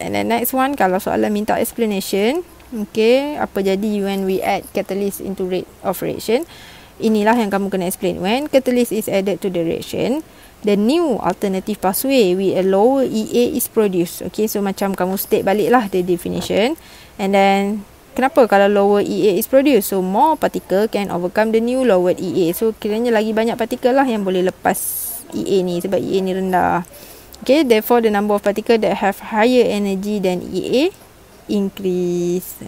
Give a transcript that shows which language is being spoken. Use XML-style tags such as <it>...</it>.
<en>And then next one,</en> <ms>kalau soalan minta</ms> <en>explanation, okay,</en> <ms>apa jadi</ms> <en>when we add catalyst into rate of reaction,</en> <ms>inilah yang kamu kena</ms> <en>explain. When catalyst is added to the reaction, the new alternative pathway with a lower EA is produced. Okay, so</en> <ms>macam kamu</ms> <en>state</en> <ms>baliklah</ms> <en>the definition. And then</en> <ms>kenapa kalau</ms> <en>lower EA is produced? So, more particle can overcome the new lowered EA.</en> <ms>So, kiranya lagi banyak particle lah yang boleh lepas EA ni sebab EA ni rendah.</ms> <en>Okay, therefore the number of particle that have higher energy than EA increase.</en>